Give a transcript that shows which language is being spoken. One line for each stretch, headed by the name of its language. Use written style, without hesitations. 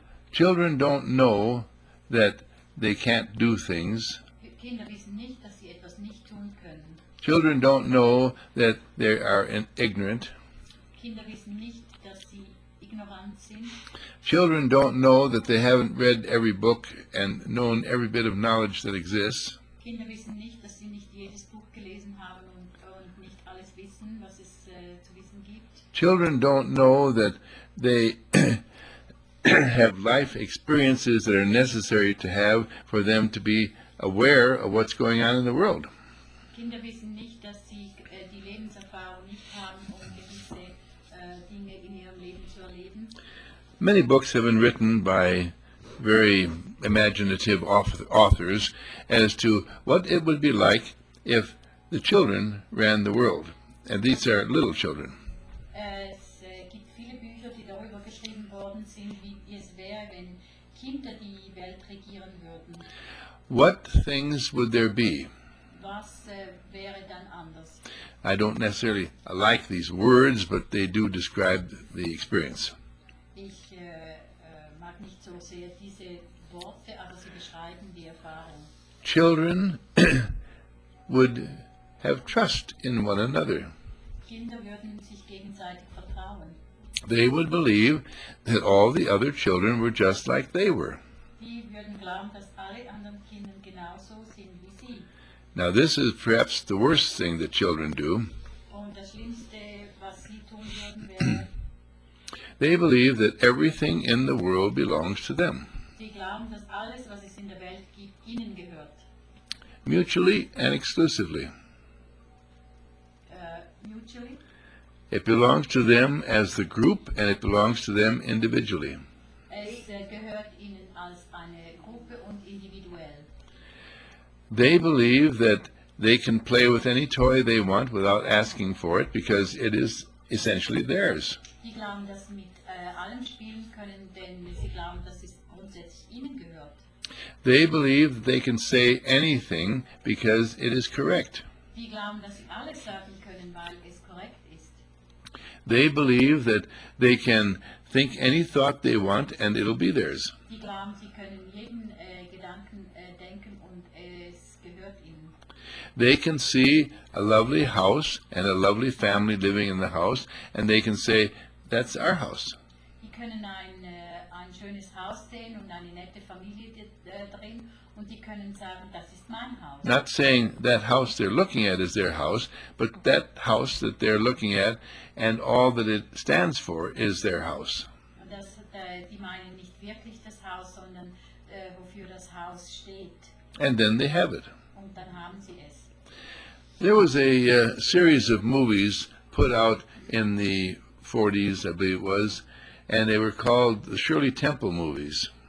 English: Children don't know that they can't do things.
German: Kinder wissen nicht, dass sie etwas nicht tun können.
English: Children don't know that they are ignorant.
German: Kinder wissen nicht, dass sie ignorant sind.
English: Children don't know that they haven't read every book and known every bit of knowledge that exists.
German: Kinder wissen nicht, dass sie nicht jedes Buch gelesen haben und nicht alles wissen, was es zu wissen gibt.
English: Children don't know that they have life experiences that are necessary to have for them to be aware of what's going on in the world.
German: Kinder wissen nicht, dass sie die Lebenserfahrung nicht haben, um gewisse Dinge in ihrem Leben zu erleben.
English: Many books have been written by very imaginative authors as to what it would be like if the children ran the world. And these are little children.
German: Es gibt viele Bücher, die darüber geschrieben worden sind, wie es wäre, wenn Kinder die Welt regieren würden.
English: What things would there be?
German: Was wäre dann anders?
English: I don't necessarily like these words, but they do describe the experience.
German: Ich mag nicht so sehr diese Worte, aber sie beschreiben die Erfahrung.
English: Children would have trust in one another.
German: Kinder würden sich gegenseitig vertrauen.
English: They would believe that all the other children were just like they were.
German: Die würden glauben, dass alle anderen Kinder genauso sind wie sie.
English: Now this is perhaps the worst thing that children do.
German: Und das Schlimmste, was sie tun würden, wäre,
English: they believe that everything in the world belongs to them.
German: Die glauben, dass alles, was es in der Welt gibt, ihnen gehört.
English: Mutually and exclusively. Mutually. It belongs to them as the group, and it belongs to them individually.
German: Es gehört ihnen als eine Gruppe und individuell.
English: They believe that they can play with any toy they want without asking for it, because it is essentially theirs.
German: Die glauben, dass sie mit allem spielen können, denn sie glauben, dass es grundsätzlich ihnen gehört.
English: They believe they can say anything because it is correct.
German: Die glauben, dass sie alles sagen können, weil es korrekt ist.
English: They believe that they can think any thought they want and it'll be theirs.
German: Die glauben, sie können jeden Gedanken denken und es gehört ihnen.
English: They can see a lovely house and a lovely family living in the house, and they can say, that's our house.
German: Die können ein schönes Haus sehen und eine nette Familie drin. Und die können sagen, das ist mein Haus.
English: Not saying that house they're looking at is their house, but that house that they're looking at and all that it stands for is their house.
German: Die meinen nicht wirklich das Haus, sondern wofür das Haus steht.
English: And then they have it.
German: Und dann haben sie es.
English: There was a series of movies put out in the 40s, I believe it was, and they were called the Shirley Temple movies.